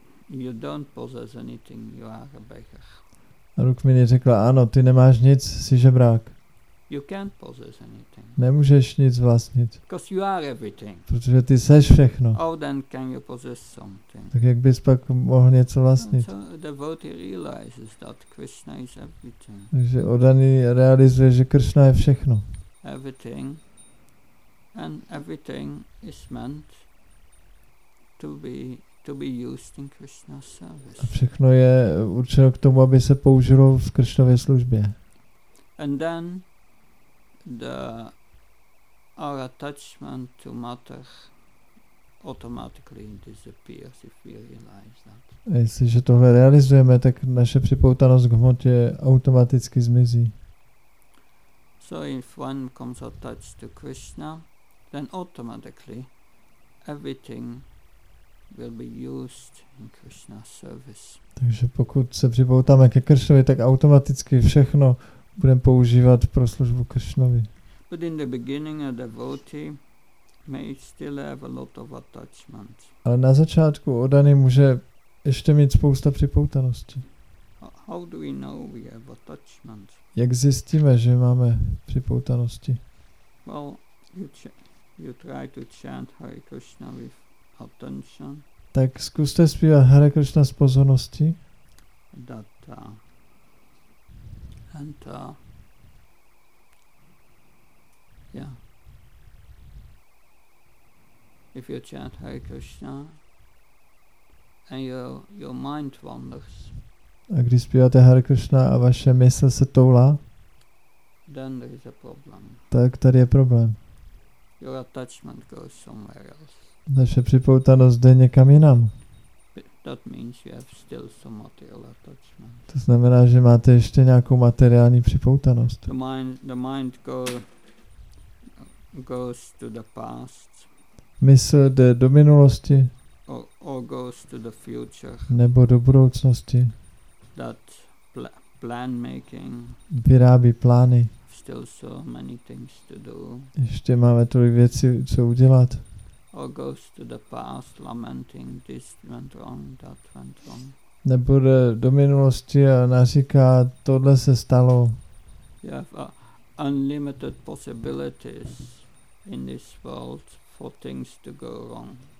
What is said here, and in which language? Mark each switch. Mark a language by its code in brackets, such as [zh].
[en] You don't possess anything, you are a beggar. [cs] A Rukmini řekla, ano, ty nemáš nic, jsi žebrák. [en] You can't possess anything. [cs] Nemůžeš nic vlastnit. [en] Because you are everything. [cs] Protože ty seš všechno. [en] How then can you possess something? [cs] Tak jak bys pak mohl něco vlastnit? [en] So the devotee realizes that Krishna is everything. [cs] Takže oddaný realizuje, že Krishna je všechno. [en] Everything. And everything is meant to be to be used in Krishna's service. [cs] A všechno je určeno k tomu, aby se použilo v Krishnově službě. [en] And then the our attachment to matter automatically disappears if we realize that. [cs] A jestliže tohle realizujeme, tak naše připoutanost k hmotě automaticky zmizí. [en] So if one comes attached to Krishna, then automatically everything will be used in Krishna's service. [cs] Takže pokud se připoutáme ke Krishnovi, tak automaticky všechno budeme používat pro službu Krishnovi. [en] But in the beginning a devotee may still have a lot of attachment. [cs] Ale na začátku oddaný může ještě mít spousta připoutanosti. [en] How do we know we have attachment? [cs] Jak zjistíme, že máme připoutanosti? [en] Well, you try to chant Hare Krishna with attention. [cs] Tak zkuste zpívat Hare Krishna s pozorností. [en] That, and, yeah. If you chant Hare Krishna and your mind wanders. [cs] A když zpíváte Hare Krishna a vaše mysl se toulá, [en] then there is a problem. [cs] Tak tady je problém. [en] Your attachment goes somewhere else. [cs] Naše připoutanost jde někam jinam. [en] That means you have still some material attachment. [cs] To znamená, že máte ještě nějakou materiální připoutanost. [en] The mind goes to the past. [cs] Mysl jde do minulosti. [en] Or goes to the future. [cs] Nebo do budoucnosti. [en] That plan making. [cs] Vyrábí plány. [en] Still so many things to do. [cs] Ještě máme tolik věcí, co udělat. [en] Or goes to the past, lamenting this went wrong, that went wrong. [cs] Nebo jde do minulosti a naříká, tohle se stalo. [en] You have unlimited possibilities in this world for things to go wrong.